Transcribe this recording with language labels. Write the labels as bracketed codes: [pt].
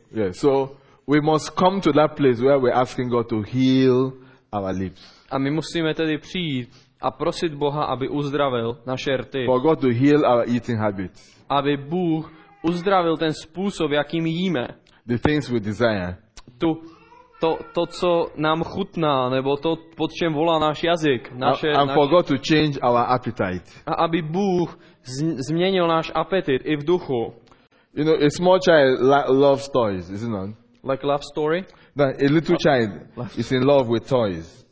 [en] Yeah, so we must come to that place where we're asking God to heal our lips. [cs] A my musíme tedy přijít a prosit Boha, aby uzdravil naše rty. [en] For God to heal our eating habits. [cs] Aby Bůh uzdravil ten způsob, jakým jíme. [en] The things we desire. [cs] To, co nám chutná, nebo to, pod čem volá náš jazyk. [en] For God to change our appetite. [cs] A aby Bůh změnil náš apetit i v duchu. [en] You know, a small child loves toys, isn't it? Like love story? No, a little child is in love with toys.